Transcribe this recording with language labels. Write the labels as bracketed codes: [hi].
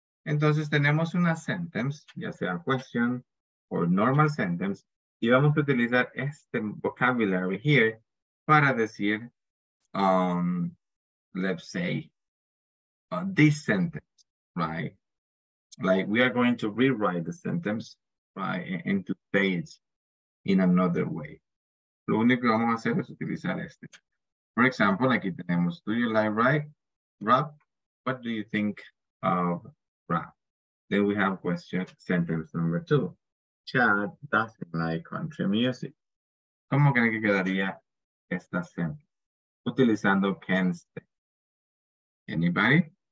[es] Entonces tenemos una sentence, ya sea [en] question or normal sentence, [es] y vamos a utilizar este vocabulary here para decir, [en] let's say, this sentence, right? Like, we are going to rewrite the sentence, right, and to say it in another way. [es] Lo único que vamos a hacer es utilizar este. [en] For example, [es] aquí tenemos, [en] do you like rap? What do you think of rap? Then we have question sentence number two. chat doesn't like country music. [es] ¿Cómo creen que quedaría esta sentence? Utilizando [en] can stay. Anybody?